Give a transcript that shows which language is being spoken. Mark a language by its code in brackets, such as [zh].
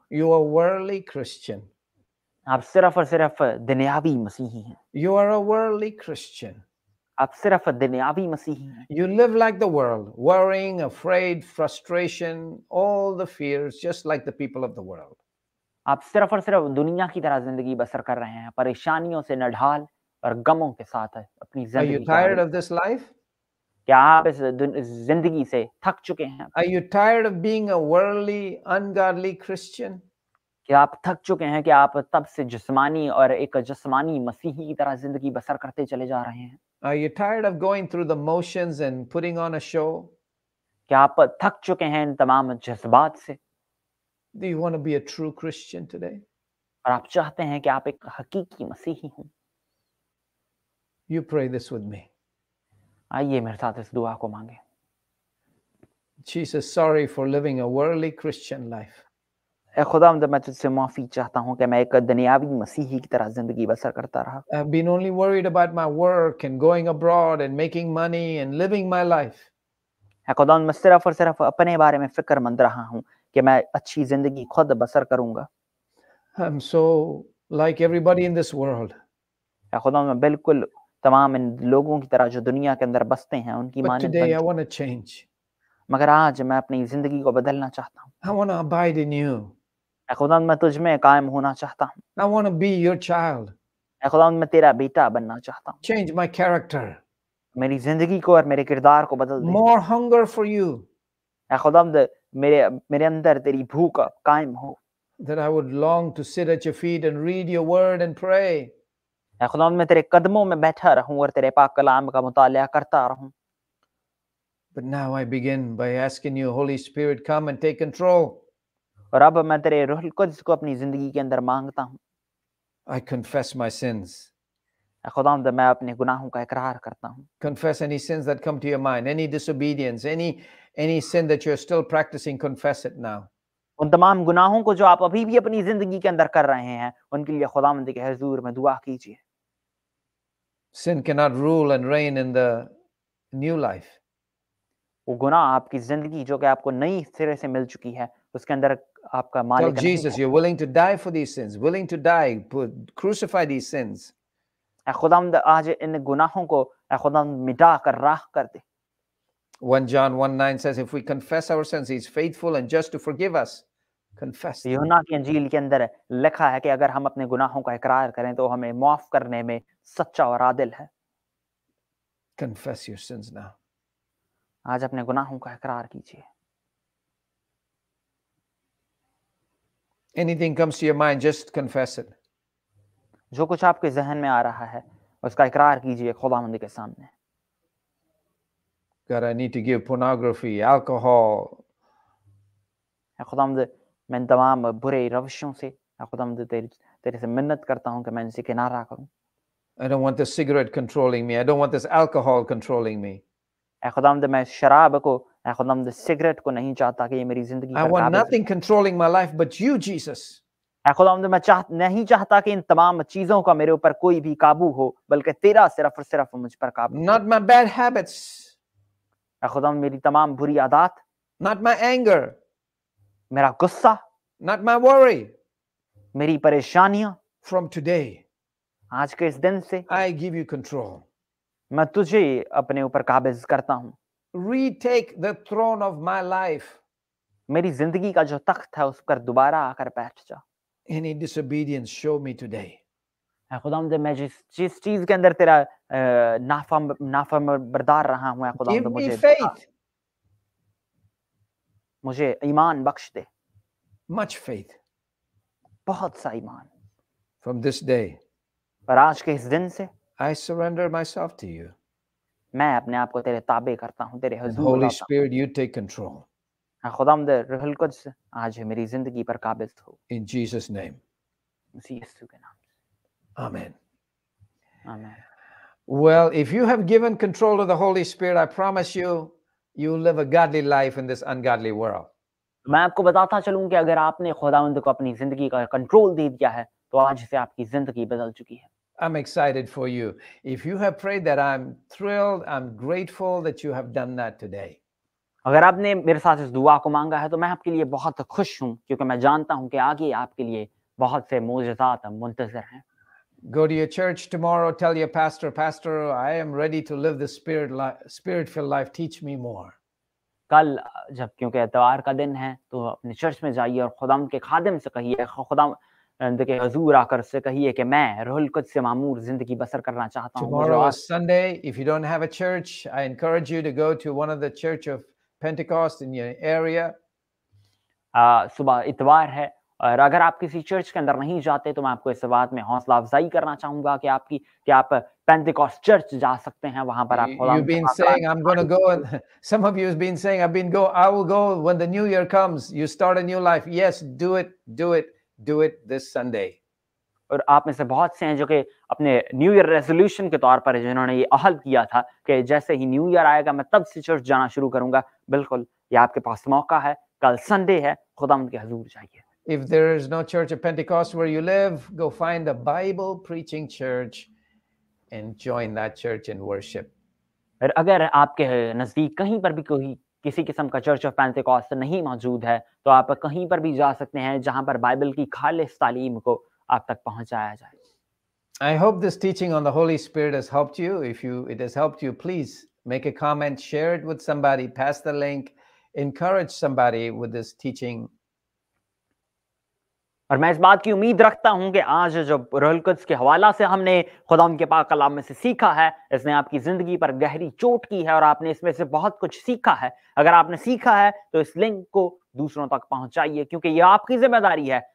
[en] You are worldly Christian. [ur] Aap sirf aur sirf dunyavi masihi hain. [en] You are a worldly Christian. [ur] Aap sirf dunyavi masihi hain. [en] You live like the world, worrying, afraid, frustration, all the fears, just like the people of the world. [ur] آپ صرف اور صرف دنیا کی طرح زندگی بسر کر رہے ہیں پریشانیوں سے نڈھال اور غموں کے ساتھ اپنی زندگی [en] Are you tired of this life? [ur] کیا آپ اس زندگی سے تھک چکے ہیں [en] Are you tired of being a worldly, ungodly Christian? [ur] کیا آپ تھک چکے ہیں کہ آپ تب سے جسمانی اور ایک جسمانی مسیحی کی طرح زندگی بسر کرتے چلے جا رہے ہیں [en] Are you tired of going through the motions and putting on a show? [ur] کیا آپ تھک چکے ہیں ان تمام جذبات سے [en] Do you want to be a true Christian today? [ur] اور آپ چاہتے ہیں کہ آپ ایک حقیقی مسیحی ہوں [en] You pray this with me. [ur] آئیے میرے ساتھ اس دعا کو مانگیں [en] Jesus, sorry for living a worldly Christian life. [ur] اے خداوند میں تجھ سے معافی چاہتا ہوں کہ میں ایک دنیاوی مسیحی کی طرح زندگی بسر کرتا رہا [en] I've been only worried about my work and going abroad and making money and living my life. [ur] اے خداوند میں صرف اور صرف اپنے بارے میں فکر مند رہا ہوں کہ میں اچھی زندگی خود بسر کروں گا [en] I'm so like everybody in this world. [ur] اے خداوند میں بالکل تمام ان لوگوں کی طرح جو دنیا کے اندر بستے ہیں ان کی مانند [en] Today I want to change. [ur] مگر آج میں اپنی زندگی کو بدلنا چاہتا ہوں [en] I want to abide in you. [ur] اے خداوند میں تجھ میں قائم ہونا چاہتا ہوں [en] I want to be your child. [ur] اے خداوند میں تیرا بیٹا بننا چاہتا ہوں [en] Change my character. [ur] میری زندگی کو اور میرے کردار کو بدل دے [en] More hunger for you. [ur] اے خداوند میرے اندر تیری بھوک قائم ہو [en] That I would long to sit at your feet and read your word and pray. [ur] اے خداوند میں تیرے قدموں میں بیٹھا رہوں اور تیرے پاک کلام کا مطالعہ کرتا رہوں [en] But now I begin by asking you, Holy Spirit, come and take control. [ur] اور اب میں تیرے روح القدس کو اپنی زندگی کے اندر مانگتا ہوں [en] I confess my sins. [ur] اے خداوند میں اپنے گناہوں کا اقرار کرتا ہوں [en] Confess any sins that come to your mind, any disobedience, any sin that you're still practicing, confess it now. [ur] ان تمام گناہوں کو جو آپ ابھی بھی اپنی زندگی کے اندر کر رہے ہیں ان کے لیے خداوند کے حضور میں دعا کیجیے [en] Sin cannot rule and reign in the new life. [ur] وہ گناہ آپ کی زندگی جو کہ آپ کو نئی سرے سے مل چکی ہے اس کے اندر آپ کا مالک [en] Tell Jesus, you're willing to die for these sins, willing to die, crucify these sins. [ur] اے خداوند آج ان گناہوں کو اے خداوند مٹا کر راہ کر دے [en] 1 John 1:9 says if we confess our sins he is faithful and just to forgive us confess [ur] یوحنا کی انجیل کے اندر لکھا ہے کہ اگر ہم اپنے گناہوں کا اقرار کریں تو ہمیں معاف کرنے میں سچا اور عادل ہے [en] confess your sins now [ur] آج اپنے گناہوں کا اقرار کیجیے [en] anything comes to your mind just confess it [ur] جو کچھ آپ کے ذہن میں آ رہا ہے اس کا اقرار کیجیے خداوند کے سامنے [en] God, I need to give pornography, alcohol. [ur] اے خداوند میں تمام برے روشوں سے اے خداوند تیرے سے منت کرتا ہوں کہ میں اسے کنارہ کروں [en] I don't want this cigarette controlling me. I don't want this alcohol controlling me. [ur] اے خداوند میں شراب کو اے خداوند سگریٹ کو نہیں چاہتا کہ یہ میری زندگی [en] I want nothing controlling my life but you, Jesus. [ur] اے خداوند میں نہیں چاہتا کہ ان تمام چیزوں کا میرے اوپر کوئی بھی قابو ہو بلکہ تیرا صرف اور صرف مجھ پر قابو [en] Not my bad habits. [ur] اے خداوند میری تمام بری عادات [en] Not my anger. [ur] میرا غصہ [en] Not my worry. [ur] میری پریشانیاں [en] From today. [ur] آج کے اس دن سے [en] I give you control. [ur] میں تجھے اپنے اوپر قابض کرتا ہوں [en] Retake the throne of my life. [ur] میری زندگی کا جو تخت ہے اس پر دوبارہ آ کر بیٹھ جا [en] Any disobedience, show me today. [ur] اے خداوند میں جس چیز کے اندر تیرا نافرم بردار رہا ہوں اے خداوند مجھے ایمان بخش دے [en] much faith [ur] بہت سا ایمان [en] from this day [ur] پر آج کے اس دن سے [en] I surrender myself to you [ur] میں اپنے آپ کو تیرے تابع کرتا ہوں تیرے حضور [en] Holy Spirit you take control [ur] اے خداوند روح القدس آج میری زندگی پر قابض ہو [en] in Jesus name [ur] مسیح یسوع کے نام [en] Amen. Amen. Well, if you have given control to the Holy Spirit, I promise you, you will live a godly life in this ungodly world. [ur] میں آپ کو بتاتا چلوں کہ اگر آپ نے خداوند کو اپنی زندگی کا کنٹرول دے دیا ہے تو آج سے آپ کی زندگی بدل چکی ہے. [en] I'm excited for you. If you have prayed that, I'm thrilled, I'm grateful that you have done that today. [ur] اگر آپ نے میرے ساتھ اس دعا کو مانگا ہے تو میں آپ کے لیے بہت خوش ہوں کیونکہ میں جانتا ہوں کہ آگے آپ کے لیے بہت سے معجزات منتظر ہیں. [en] Go to your church tomorrow, tell your pastor, I am ready to live the spirit-filled life, teach me more. [ur] کل جب کیونکہ اتوار کا دن ہے تو اپنے چرچ میں جائیے اور خدا کے خادم سے کہیے, خدا کے حضور آ کر سے کہیے کہ میں روح القدس سے معمور زندگی بسر کرنا چاہتا ہوں. [en] Tomorrow is Sunday. If you don't have a church, I encourage you to go to one of the church of Pentecost in your area. [ur] صبح اتوار ہے اور اگر آپ کسی چرچ کے اندر نہیں جاتے تو میں آپ کو اس بات میں حوصلہ افزائی کرنا چاہوں گا کہ آپ کی کہ آپ پینتیکوسٹ چرچ جا سکتے ہیں, وہاں پر آپ خدا [en] You've been saying I'm going to go and some of you have been saying I've been go I will go when the new year comes you start a new life. Yes, do it this Sunday. [ur] اور آپ میں سے بہت سے ہیں جو کہ اپنے [en] new year resolution [ur] کے طور پر جنہوں نے یہ عہد کیا تھا کہ جیسے ہی نیو ایئر آئے گا میں تب سے چرچ جانا شروع کروں گا. بالکل, یہ آپ کے پاس موقع ہے. کل سنڈے ہے, خدا ان کے حضور جائیے. [en] If there is no church of Pentecost where you live, go find a Bible preaching church and join that church in worship. [ur] اور اگر آپ کے نزدیک کہیں پر بھی کوئی کسی قسم کا چرچ آف پینتیکوسٹ نہیں موجود ہے تو آپ کہیں پر بھی جا سکتے ہیں جہاں پر بائبل کی خالص تعلیم کو آپ تک پہنچایا جائے. [en] I hope this teaching on the Holy Spirit has helped you. If it has helped you, please make a comment, share it with somebody, pass the link, encourage somebody with this teaching. [ur] اور میں اس بات کی امید رکھتا ہوں کہ آج جو روح القدس کے حوالہ سے ہم نے خدا کے پاک کلام میں سے سیکھا ہے اس نے آپ کی زندگی پر گہری چوٹ کی ہے اور آپ نے اس میں سے بہت کچھ سیکھا ہے. اگر آپ نے سیکھا ہے تو اس لنک کو دوسروں تک پہنچائیے کیونکہ یہ آپ کی ذمہ داری ہے.